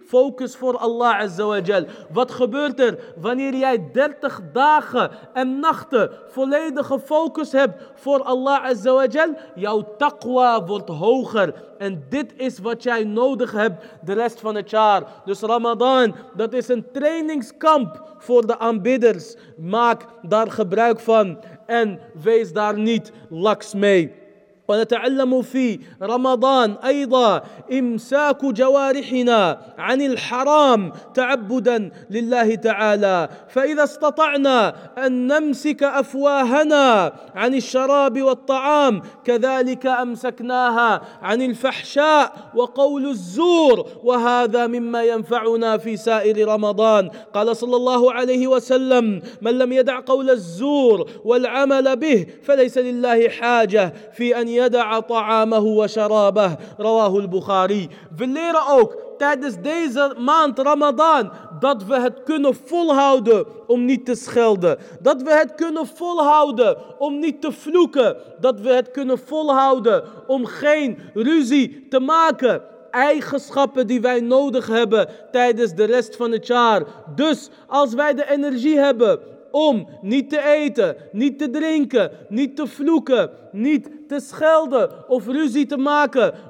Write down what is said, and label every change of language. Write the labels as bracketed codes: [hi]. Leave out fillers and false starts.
[nl] Focus voor Allah Azza wa Jal. Wat gebeurt er wanneer jij 30 dagen en nachten volledige focus hebt voor Allah Azza wa Jal? Jouw taqwa wordt hoger. En dit is wat jij nodig hebt de rest van het jaar. Dus Ramadan, dat is een trainingskamp voor de aanbidders. Maak daar gebruik van en wees daar niet laks mee. [ar] ونتعلم في رمضان أيضا إمساك جوارحنا عن الحرام تعبدا لله تعالى فإذا استطعنا أن نمسك أفواهنا عن الشراب والطعام كذلك أمسكناها عن الفحشاء وقول الزور وهذا مما ينفعنا في سائر رمضان قال صلى الله عليه وسلم من لم يدع قول الزور والعمل به فليس لله حاجة في أن يدع طعامه وشرابه رواه البخاري في الليرة أوك [nl] tijdens deze maand Ramadan, dat we het kunnen volhouden om niet te schelden. Dat we het kunnen volhouden om niet te vloeken. Dat we het kunnen volhouden om geen ruzie te maken. Eigenschappen die wij nodig hebben tijdens de rest van het jaar. Dus als wij de energie hebben om niet te eten, niet te drinken, niet te vloeken, niet te schelden of ruzie te maken.